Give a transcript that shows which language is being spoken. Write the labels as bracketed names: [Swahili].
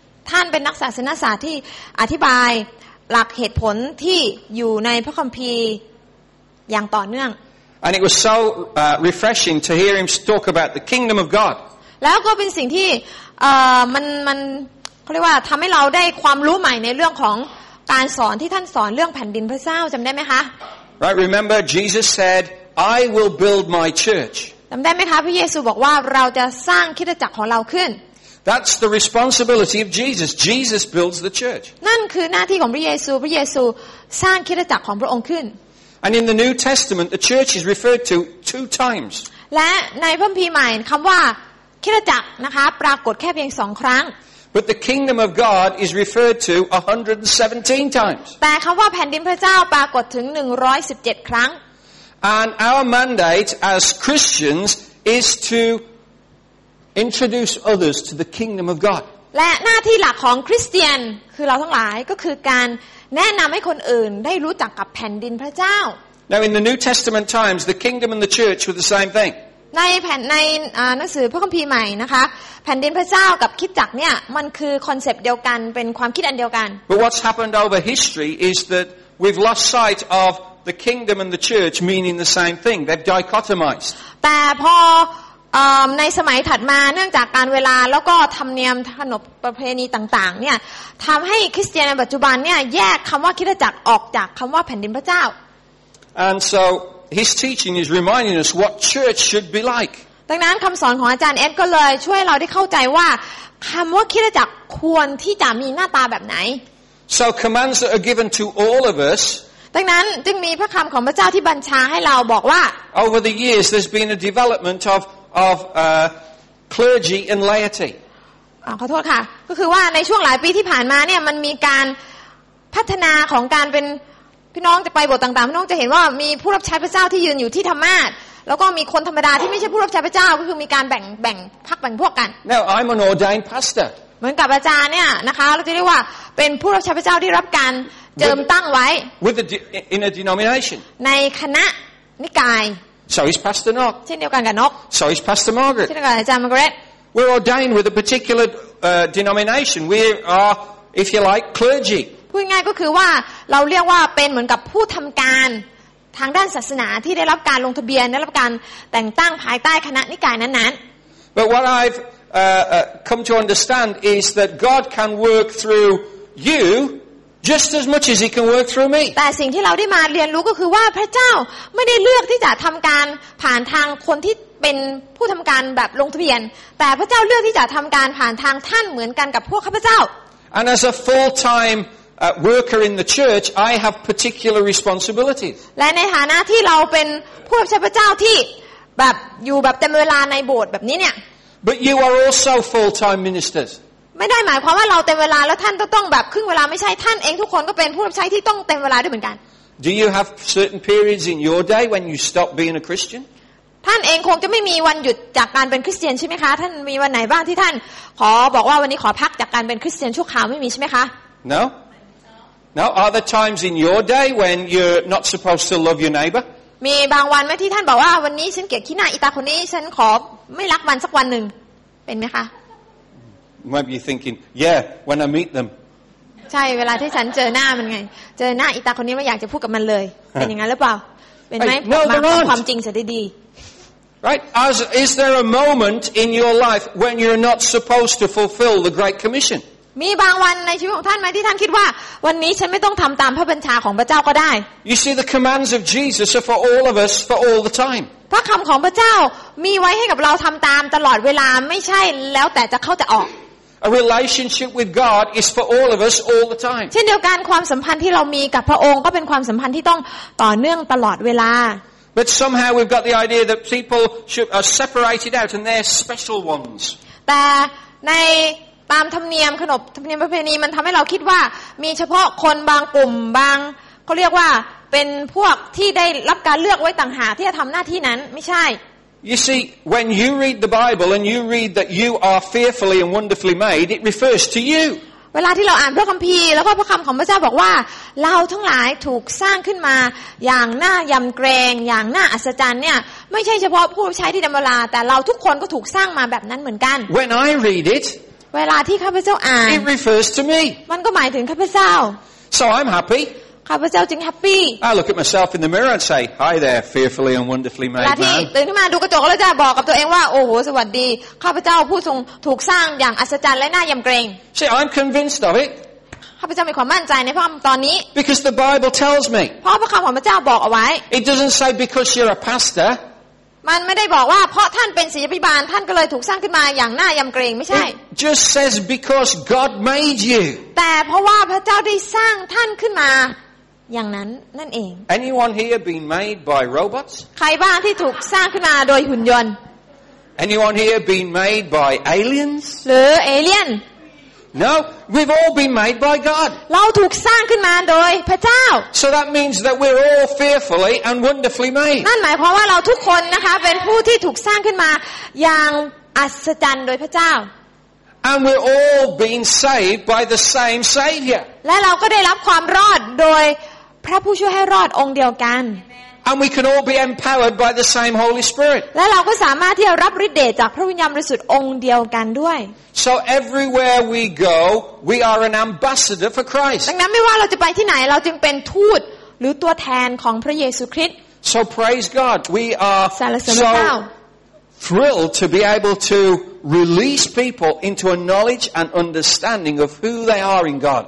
[Thai] ท่านเป็นนักศาสนศาสตร์ที่อธิบายหลักเหตุผลที่อยู่ในพระคัมภีร์อย่างต่อเนื่อง [English] and it was so refreshing to hear him talk about the kingdom of god [Thai] แล้วก็เป็นสิ่งที่มันเขาเรียกว่าทำให้เราได้ความรู้ใหม่ในเรื่องของการสอนที่ท่านสอนเรื่องแผ่นดินพระเจ้าจำได้ไหมคะ [English] Right remember Jesus said I will build my church [Thai] จำได้ไหมคะพระเยซูบอกว่าเราจะสร้างคริสตจักรของเราขึ้น [English] That's the responsibility of Jesus Jesus builds the church [Thai] นั่นคือหน้าที่ของพระเยซูพระเยซูสร้างคริสตจักรของพระองค์ขึ้น [English] And in the New Testament the church is referred to 2 times [Thai] และในพระคัมภีร์ใหม่คำว่าคริสตจักรนะคะปรากฏแค่เพียง2ครั้ง [English] But the kingdom of God is referred to 117 times. [Thai] แต่คำว่าแผ่นดินพระเจ้าปรากฏถึง117ครั้ง [English] And our mandate as Christians is to introduce others to the kingdom of God. [Thai] และหน้าที่หลักของคริสเตียนคือเราทั้งหลายก็คือการแนะนำให้คนอื่นได้รู้จักกับแผ่นดินพระเจ้า [English] Now in the New Testament times, the kingdom and the church were the same thing. [Thai] ในแผ่นในหนังสือพระคัมภีร์ใหม่นะคะแผ่นดินพระเจ้ากับคริสตจักรเนี่ยมันคือคอนเซปต์เดียวกันเป็นความคิดอันเดียวกัน [English] But what's happened over history is that we've lost sight of the kingdom and the church meaning the same thing they've dichotomized [Thai] แต่พอ ในสมัยถัดมาเนื่องจากการเวลาแล้วก็ธรรมเนียมขนบประเพณีต่างๆเนี่ยทำให้คริสเตียนในปัจจุบันเนี่ยแยกคำว่าคริสตจักรออกจากคำว่าแผ่นดินพระเจ้า [English] And so his teaching is reminding us what church should be like [Thai] ดังนั้นคำสอนของอาจารย์เอ็ดก็เลยช่วยเราได้เข้าใจว่าคำว่าคริสตจักรควรที่จะมีหน้าตาแบบไหน [English] So commands that are given to all of us [Thai] ดังนั้นจึงมีพระคำของพระเจ้าที่บัญชาให้เราบอกว่า [English] Over the years there's been a development of clergy and laity [Thai] ขอโทษค่ะก็คือว่าในช่วงหลายปีที่ผ่านมาเนี่ยมันมีการพัฒนาของการเป็นพี่น้องจะไปโบสถ์ต่างๆพี่น้องจะเห็นว่ามีผู้รับใช้พระเจ้าที่ยืนอยู่ที่ธรรมาสน์แล้วก็มีคนธรรมดาที่ไม่ใช่ผู้รับใช้พระเจ้าก็คือมีการแบ่งพรรคแบ่งพวกกัน [English] Now I'm an ordained pastor [Thai] เหมือนกับอาจารย์เนี่ยนะคะเราจะเรียกว่าเป็นผู้รับใช้พระเจ้าที่รับการเจิมตั้งไว้ [English] with in a denomination [Thai] ในคณะนิกาย [English] so is Pastor Nock [Thai] เช่นเดียวกันกับนก [English] so is Pastor Margaret [Thai] เช่นเดียวกับอาจารย์มาร์กาเร็ต [English] we're ordained with a particular denomination we are if you like clergy [Thai] พูดง่ายก็คือว่าเราเรียกว่าเป็นเหมือนกับผู้ทำการทางด้านศาสนาที่ได้รับการลงทะเบียนได้รับการแต่งตั้งภายใต้คณะนิกายนั้น [English] ๆ but what I've come to understand is that God can work through youJust as much as he can work through me. [Thai] แต่สิ่งที่เราได้มาเรียนรู้ก็คือว่าพระเจ้าไม่ได้เลือกที่จะทำการผ่านทางคนที่เป็นผู้ทำการแบบลงทะเบียนแต่พระเจ้าเลือกที่จะทำการผ่านทางท่านเหมือนกันกับพวกข้าพเจ้า [English] And as a full-time worker in the church, I have particular responsibilities. [Thai] และในฐานะที่เราเป็นผู้รับใช้พระเจ้าที่แบบอยู่แบบเต็มเวลาในโบสถ์แบบนี้เนี่ย [English] But you are also full-time ministers. [Thai] ไม่ได้หมายความว่าเราเต็มเวลาแล้วท่านต้องแบบครึ่งเวลาไม่ใช่ท่านเองทุกคนก็เป็นผู้รับใช้ที่ต้องเต็มเวลาด้วยเหมือนกัน [English] Do you have certain periods in your day when you stop being a Christian? [Thai] ท่านเองคงจะไม่มีวันหยุดจากการเป็นคริสเตียนใช่ไหมคะท่านมีวันไหนบ้างที่ท่านขอบอกว่าวันนี้ขอพักจากการเป็นคริสเตียนชั่วคราวไม่มีใช่ไหมคะ [English] No. No. Are there times in your day when you're not supposed to love your neighbor? [Thai] มีบางวันไหมที่ท่านบอกว่าวันนี้ฉันเกลียดขี้หน้าอีตาคนนี้ฉันขอไม่รักมันสักวันนึงเป็นไหมคะ [English] Maybe you're thinking, yeah, when I meet them. [Thai] ใช่เวลาที่ฉันเจอหน้ามันไงเจอหน้าอีตาคนนี้ไม่อยากจะพูดกับมันเลยเป็นอย่างนั้นหรือเปล่าเป็นไหมมา พู ดความจริงเสียดี [English] Right? As is there a moment in your life when you're not supposed to fulfill the Great Commission? [Thai] มีบางวันในชีวิตของท่านไหมที่ท่านคิดว่าวันนี้ฉันไม่ต้องทำตามพระบัญชาของพระเจ้าก็ได้ [English] You see, the commands of Jesus are for all of us for all the time. [Thai] พระคำของพระเจ้ามีไว้ให้กับเราทำตามตลอดเวลาไม่ใช่แล้วแต่จะเข้าจะออก [English] A relationship with God is for all of us all the time [Thai] เช่นเดียวกันความสัมพันธ์ที่เรามีกับพระองค์ก็เป็นความสัมพันธ์ที่ต้องต่อเนื่องตลอดเวลา [English] But somehow we've got the idea that people should are separated out and they're special ones [Thai] แต่ในตามธรรมเนียมขนบธรรมเนียมประเพณีมันทำให้เราคิดว่ามีเฉพาะคนบางกลุ่มบางเขาเรียกว่าเป็นพวกที่ได้รับการเลือกไว้ต่างหากที่จะทำหน้าที่นั้นไม่ใช่ [English] You see when you read the Bible and you read that you are fearfully and wonderfully made it refers to you [Thai] เวลาที่เราอ่านพระคัมภีร์แล้วก็พระคำของพระเจ้าบอกว่าเราทั้งหลายถูกสร้างขึ้นมาอย่างน่ายำเกรงอย่างน่าอัศจรรย์เนี่ยไม่ใช่เฉพาะผู้ใช้ที่ดำเนินแต่เราทุกคนก็ถูกสร้างมาแบบนั้นเหมือนกัน [English] When I read it [Thai] เวลาที่ข้าพเจ้าอ่าน [English] it refers to me [Thai] มันก็หมายถึงข้าพเจ้า [English] So I'm happy [Thai] ข้าพเจ้าจึงแฮปปี้ [English] I look at myself in the mirror and say hi there fearfully and wonderfully made man [Thai] ตื่นขึ้นมาดูกระจกแล้วจะบอกกับตัวเองว่าโอ้โหสวัสดีข้าพเจ้าผู้ทรงถูกสร้างอย่างอัศจรรย์และน่ายำเกรง [English] See I'm convinced of it [Thai] ข้าพเจ้ามีความมั่นใจในพระคำตอนนี้ [English] Because the Bible tells me [Thai] เพราะพระคำของพระเจ้าบอกเอาไว้ [English] It doesn't say because you're a pastor [Thai] มันไม่ได้บอกว่าเพราะท่านเป็นศิษยาภิบาลท่านก็เลยถูกสร้างขึ้นมาอย่างน่ายำเกรงไม่ใช่ [English] Just says because God made you [Thai] แต่เพราะว่าพระเจ้าได้สร้างท่านขึ้นมาอย่างนั้นนั่นเอง [English] Anyone here been made by robots? [Thai] ใครบ้างที่ถูกสร้างขึ้นมาโดยหุ่นยนต์ [English] Anyone here been made by aliens? [Thai] หรือเอเลียน [English] No, we've all been made by God. [Thai] เราถูกสร้างขึ้นมาโดยพระเจ้า [English] So that means that we're all fearfully and wonderfully made. [Thai] นั่นหมายความว่าเราทุกคนนะคะเป็นผู้ที่ถูกสร้างขึ้นมาอย่างอัศจรรย์โดยพระเจ้า [English] And we're all being saved by the same Savior. [Thai] และเราก็ได้รับความรอดโดยพระผู้ช่วยให้รอดองค์เดียวกัน [English] And we can all be empowered by the same Holy Spirit. [Thai] และเราก็สามารถที่จะรับฤทธิ์เดชจากพระวิญญาณบริสุทธิ์องค์เดียวกันด้วย [English] So everywhere we go, we are an ambassador for Christ. [Thai] ดังนั้นไม่ว่าเราจะไปที่ไหนเราจึงเป็นทูตหรือตัวแทนของพระเยซูคริสต์ [English] So praise God, we are [Thai] สรรเสริญพระเจ้า [English] thrilled to be able to release people into a knowledge and understanding of who they are in God.